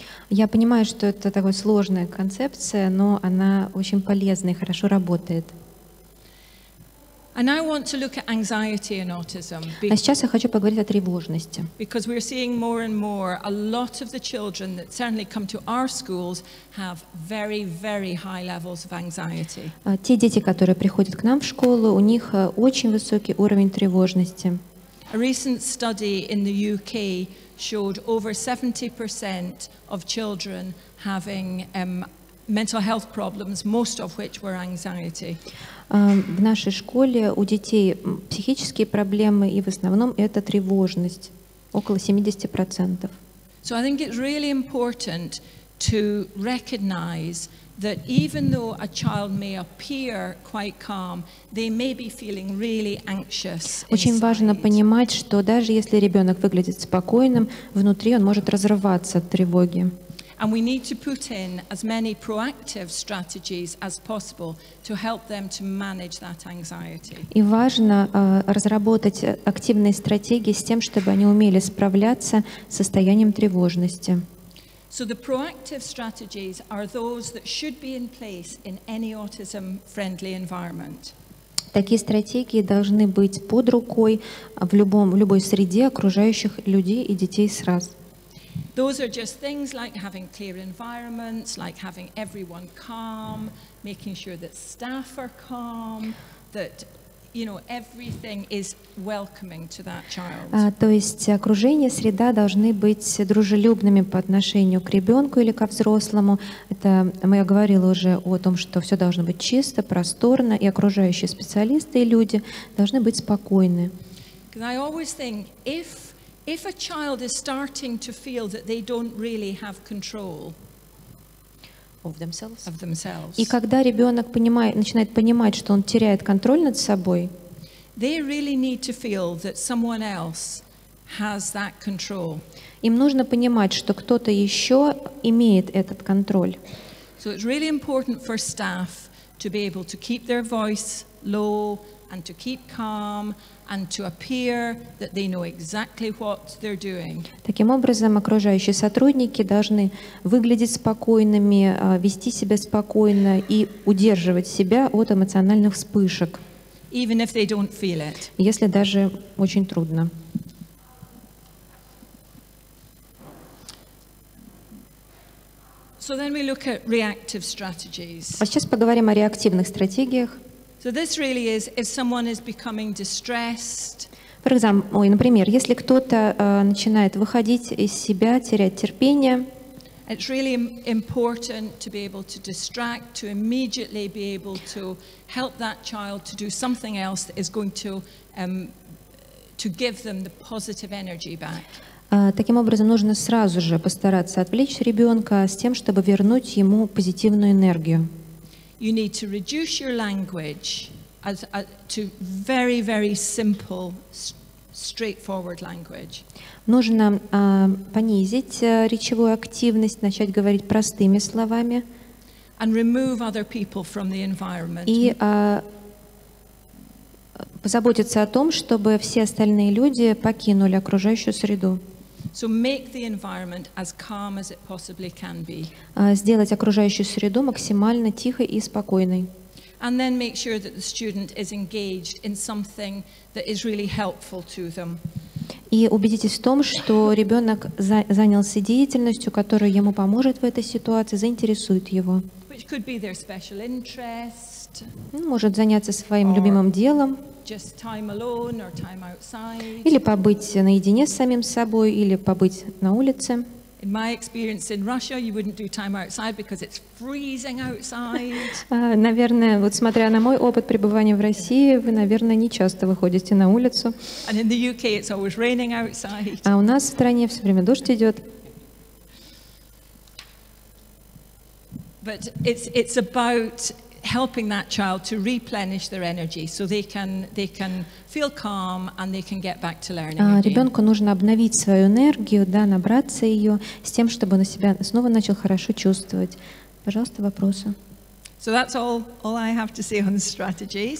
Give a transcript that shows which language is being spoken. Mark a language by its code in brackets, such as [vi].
[ru] Я понимаю, что это такая сложная концепция, но она очень полезная и хорошо работает. [en] And I want to look at anxiety and autism. [ru] А сейчас я хочу поговорить о тревожности. [en] Because we're seeing more and more, a lot of the children that certainly come to our schools have very, very high levels of anxiety. [ru] Те дети, которые приходят к нам в школу, у них очень высокий уровень тревожности. [en] A recent study in the UK showed over 70% of children having mental health problems, most of which were anxiety. [ru] В нашей школе у детей психические проблемы, и в основном это тревожность, около 70%. [en] So I think it's really important to recognize that even though a child may appear quite calm, they may be feeling really anxious. [ru] Очень важно понимать, что даже если ребенок выглядит спокойным, внутри он может разрываться от тревоги. [en] And we need to put in as many proactive strategies as possible to help them to manage that anxiety. [ru] И важно разработать активные стратегии с тем, чтобы они умели справляться с состоянием тревожности. [en] So the proactive strategies are those that should be in place in any autism-friendly environment. [ru] Такие стратегии должны быть под рукой в любой среде окружающих людей и детей сразу. [en] Those are just things like having clear environments, like having everyone calm, making sure that staff are calm, that, you know, everything is welcoming to that child. [ru] То есть окружение, среда должны быть дружелюбными по отношению к ребенку или ко взрослому. Это мы говорили уже о том, что все должно быть чисто, просторно, и окружающие специалисты и люди должны быть спокойны. [en] Because I always think if a child is starting to feel that they don't really have control of themselves. [ru] И когда ребенок начинает понимать, что он теряет контроль над собой, [en] they really need to feel that someone else has that control. [ru] Им нужно понимать, что кто-то еще имеет этот контроль. [en] So it's really important for staff to be able to keep their voice low and to keep calm and to appear that they know exactly what they're doing. [ru] Таким образом, окружающие сотрудники должны выглядеть спокойными, вести себя спокойно и удерживать себя от эмоциональных вспышек. [en] Even if they don't feel it. [ru] Если даже очень трудно. [en] So then we look at reactive strategies. [ru] А сейчас поговорим о реактивных стратегиях. [en] So this really is if someone is becoming distressed. [ru] Например, если кто-то начинает выходить из себя, терять терпение. [en] It's really important to be able to distract, to immediately be able to help that child to do something else that is going to give them the positive energy back. [ru] Таким образом, нужно сразу же постараться отвлечь ребенка с тем, чтобы вернуть ему позитивную энергию. [en] You need to reduce your language to very, very simple, straightforward language. [ru] Нужно понизить речевую активность, начать говорить простыми словами. [en] And remove other people from the environment. [ru] И позаботиться о том, чтобы все остальные люди покинули окружающую среду. [en] So make the environment as calm as it possibly can be. [ru] Сделать окружающую среду максимально тихой и спокойной. [en] And then make sure that the student is engaged in something that is really helpful to them. [ru] И убедитесь в том, что ребенок занялся деятельностью, которая ему поможет в этой ситуации, заинтересует его. [en] Which could be their special interest. [ru] Может заняться своим любимым делом. [en] Just time alone or time outside. [ru] Или побыть наедине с самим собой, или побыть на улице. [en] In my experience in Russia, you wouldn't do time outside because it's freezing outside. [ru] Наверное, вот смотря на мой опыт пребывания в России, вы, наверное, не часто выходите на улицу. [en] And in the UK, it's always raining outside. [ru] А у нас в стране все время дождь идет. [en] But it's about helping that child to replenish their energy so they can feel calm and they can get back to learning. [ru] Ребенку нужно обновить свою энергию, да, набраться ее, с тем, чтобы он себя снова начал хорошо чувствовать. Пожалуйста, вопросы. [en] So that's all I have to say on strategies.